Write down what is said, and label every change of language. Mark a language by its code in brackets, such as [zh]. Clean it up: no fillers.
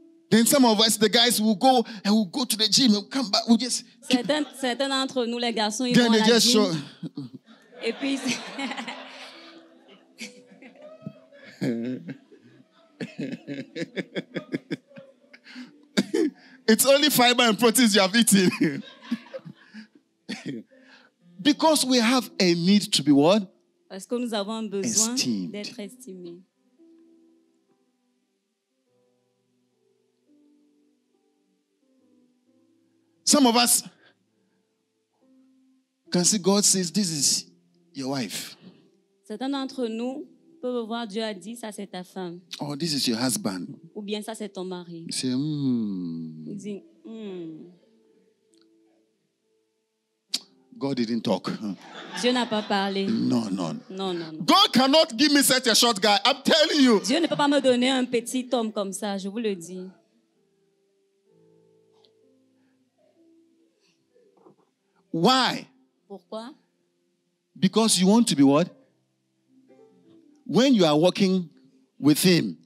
[en] Then some of us, the guys, will go and we'll go to the gym and come back. We'll just. [fr] Certains d'entre nous, les garçons, ils vont à la gym. [en] Show. [fr] Et puis. [en] It's only fiber and proteins you have eaten. Because we have a need to be what? [fr] Parce que nous avons besoin [en] esteemed. [fr] D'être estimés. [en] Some of us can see God says, this is your wife. [fr] Certains d'entre nous peuvent voir Dieu a dit, ça c'est ta femme. [en] Oh, this is your husband. [fr] Ou bien ça c'est ton mari. C'est, Il dit, [en] God didn't talk. [fr] Dieu n'a pas parlé. [en] No. God cannot give me such a short guy, I'm telling you. [fr] Dieu ne peut pas me donner un petit homme comme ça, je vous le dis. [en] Why? [fr] Pourquoi? [en] Because you want to be what? When you are walking with him.